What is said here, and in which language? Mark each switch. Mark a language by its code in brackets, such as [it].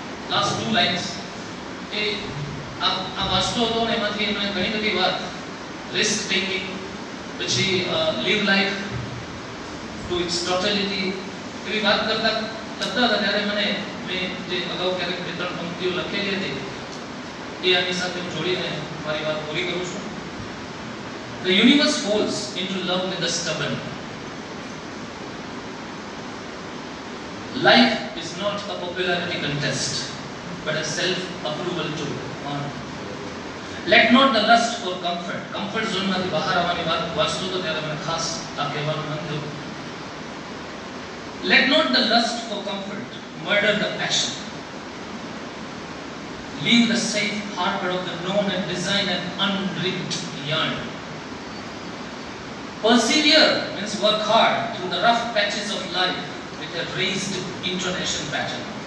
[gu] Last two lines એ આ વાસ્તુ હતો અને એમાંથી એમણે ઘણી બધી વાત રિસ્ક ટેકિંગ પછી [en] live life to its totality [gu] એવી વાત કરતા કરતા હતા ત્યારે મને મેં જે અગાઉ ક્યારેક બે ત્રણ પંક્તિઓ લખેલી હતી એ આની સાથે હું જોડીને મારી વાત પૂરી કરું છું [en] The universe falls into love with the stubborn. Life is not a popularity contest, but a self-approval tool. Let not the lust for comfort. [gu] Comfort zone માંથી બહાર આવવાની વાત વાસ્તુ તો ત્યારે મને ખાસ આ કહેવાનું મન થયું. [en] Let not the lust for comfort murder the passion. Leave the safe harbor of the known and design an unripped yarn. Persevere means work hard through the rough patches of life with a raised intonation pattern.